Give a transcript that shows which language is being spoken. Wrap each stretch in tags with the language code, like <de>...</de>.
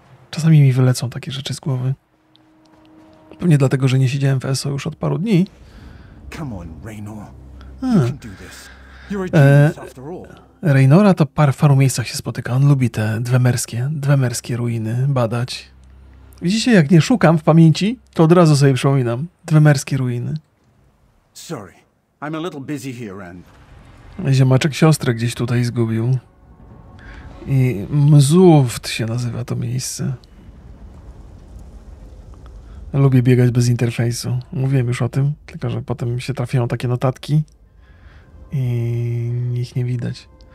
<pl>Czasami mi wylecą takie rzeczy z głowy. Pewnie dlatego, że nie siedziałem w ESO już od paru dni.</pl> <en>Come on, Raynor.</en> <pl>Raynora to paru miejscach się spotyka. On lubi te dwemerskie ruiny badać. Widzicie, jak nie szukam w pamięci, to od razu sobie przypominam. Dwemerskie ruiny.</pl> <en>Sorry, I'm a little busy here, Ren.</en> <pl>Ziemaczek siostrę gdzieś tutaj zgubił. I Mzuft się nazywa to miejsce. Lubię biegać bez interfejsu. Mówiłem już o tym, tylko że potem się trafiają takie notatki i ich nie widać.</pl>